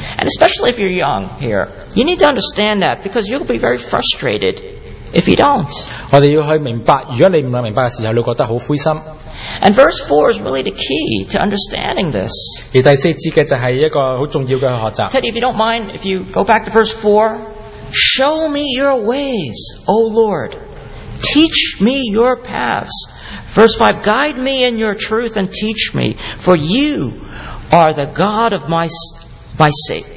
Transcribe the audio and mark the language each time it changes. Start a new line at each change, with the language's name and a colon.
English: And especially if you're young here, you need to understand that because you'll be very frustrated if you don't.
Cantonese: 我哋要去明白，如果你唔明白嘅时候，你会觉得好灰心.
English: And verse 4 is really the key to understanding this.
Cantonese: 而第四节嘅就系一个好重要嘅学习.
English: Teddy, if you don't mind, if you go back to verse 4, show me your ways, O Lord. Teach me your paths. Verse 5, guide me in your truth and teach me, for you are the God of my Savior.